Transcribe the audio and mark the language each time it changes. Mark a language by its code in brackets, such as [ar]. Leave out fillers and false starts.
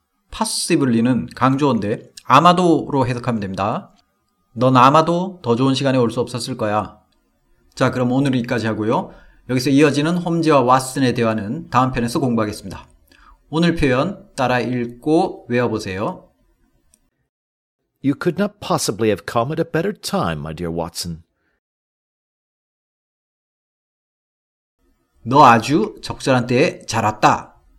[ko] Possibly는 강조어인데 아마도로 해석하면 됩니다. 넌 아마도 더 좋은 시간에 올 수 없었을 거야. 자, 그럼 오늘은 여기까지 하고요. 여기서 이어지는 홈즈와 왓슨의 대화는 다음 편에서 공부하겠습니다. 오늘 표현 따라 읽고 외워보세요. [en] You could not possibly have come at a better time, my dear Watson. [ko] 너 아주 적절한 때에 잘 왔다.